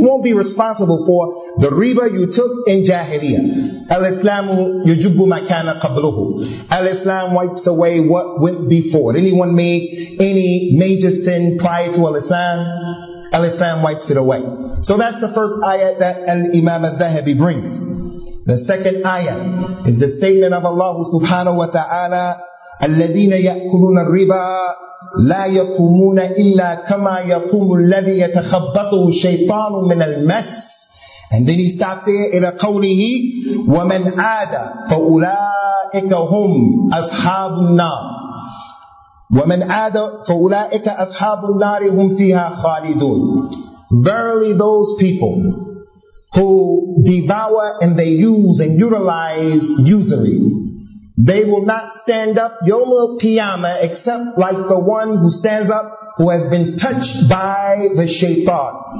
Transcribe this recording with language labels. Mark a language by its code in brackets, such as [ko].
[en] You won't be responsible for the riba you took in Jahiliyyah. [ar] Al-Islamu yujubbu ma kana qabluhu. [en] Al-Islam wipes away what went before. Anyone made any major sin prior to Al-Islam? Al-Islam wipes it away. So that's the first ayat that Al-Imam al-Dhahabi brings. The second ayat is the statement of Allah subhanahu wa ta'ala, [ar] الَّذِينَ يَأْكُلُونَ الرِّبَى لَا يَقُومُونَ إِلَّا كَمَا يَقُومُ الَّذِي يَتَخَبَّطُهُ الشَّيْطَانُ مِنَ الْمَسِ. [en] And then he stopped there in a qawlihi, [ar] وَمَنْ عَادَ فَأُولَٰئِكَ هُمْ أَصْحَابُ النَّارِ. وَمَنْ عَادَ فَأُولَٰئِكَ أَصْحَابُ النَّارِ هُمْ فِيهَا خَالِدُونَ. [en] Verily those people who devour and they use and utilize usury, they will not stand up yawm al-qiyamah except like the one who stands up who has been touched by the shaytan.